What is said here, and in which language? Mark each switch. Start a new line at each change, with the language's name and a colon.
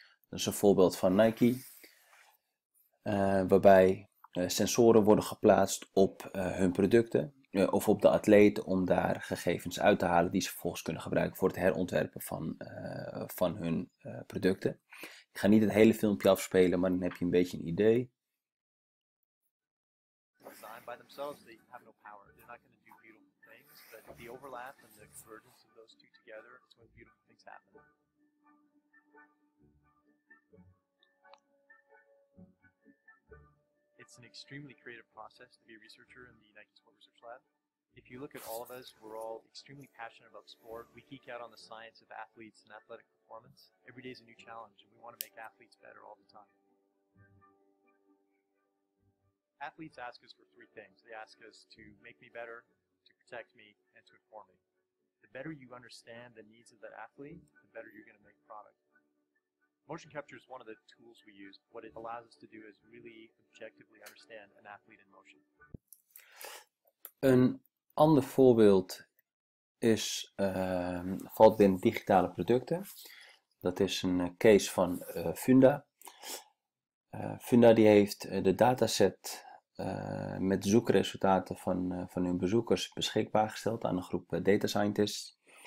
Dutch: Dat is een voorbeeld van Nike. Waarbij sensoren worden geplaatst op hun producten. Of op de atleet om daar gegevens uit te halen die ze vervolgens kunnen gebruiken voor het herontwerpen van hun producten. Ik ga niet het hele filmpje afspelen, maar dan heb je een beetje een idee.
English: Designed by themselves, they have no power. They're not going to do beautiful things, but the overlap and the convergence of those two together is when beautiful things happen. It's an extremely creative process to be a researcher in the Nike Sport Research Lab. If you look at all of us, we're all extremely passionate about sport. We geek out on the science of athletes and athletic performance. Every day is a new challenge, and we want to make athletes better all the time. Athletes ask us for three things. They ask us to make me better, to protect me, and to inform me. The better you understand the needs of that athlete, the better you're going to make product. Motion capture is one of the tools we use. What it allows us to do is really objectively understand an athlete in motion.
Dutch: Een ander voorbeeld is valt in digitale producten. Dat is een case van Funda. Funda die heeft de dataset met zoekresultaten van hun bezoekers beschikbaar gesteld aan een groep data scientists.